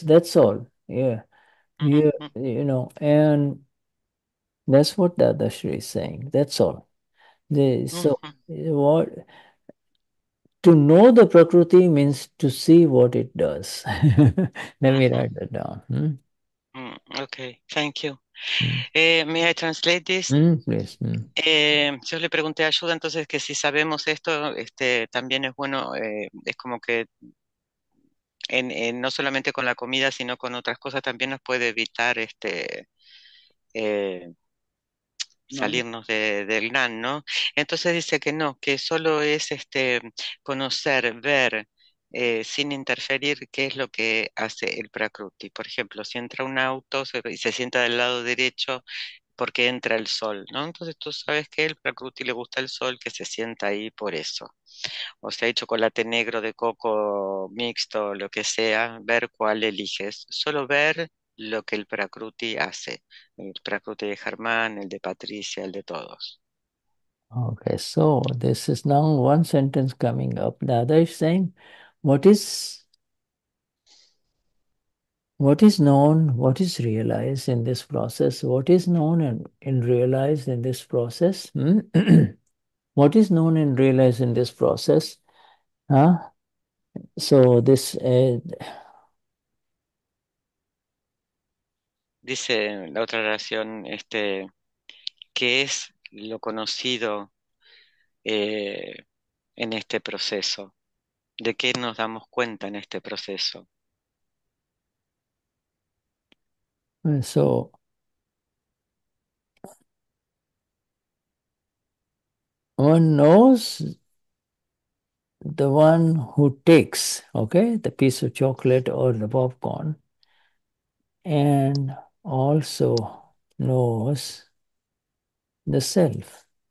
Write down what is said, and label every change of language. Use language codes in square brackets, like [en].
[en] That's all. Yeah. And that's what Dada Shri is saying. That's all. So, what to know the prakriti means to see what it does. Let me write that down. Okay, thank you. May I translate this? Please. [es] Yo le pregunté ayuda, entonces que si sabemos esto, también es bueno, es como que no solamente con la comida, sino con otras cosas, también nos puede evitar No. salirnos del NAN, ¿no? Entonces dice que no, que solo es conocer, ver, sin interferir, qué es lo que hace el Prakruti. Por ejemplo, si entra un auto y se sienta del lado derecho, porque entra el sol, ¿no? Entonces tú sabes que el Prakruti le gusta el sol, que se sienta ahí por eso. O sea, hay chocolate negro de coco mixto, lo que sea, ver cuál eliges. Solo ver lo que el Prakruti hace. El Prakruti de Germán, el de Patricia, el de todos. [en] Okay, so this is now one sentence coming up. The other is saying, what is known, what is realized in this process? What is known and realized in this process? What is known and realized in this process? So this [es] Dice la otra oración, ¿qué es lo conocido en este proceso? ¿De qué nos damos cuenta en este proceso? [en] So, one knows the one who takes, okay, the piece of chocolate or the popcorn, and also knows the self.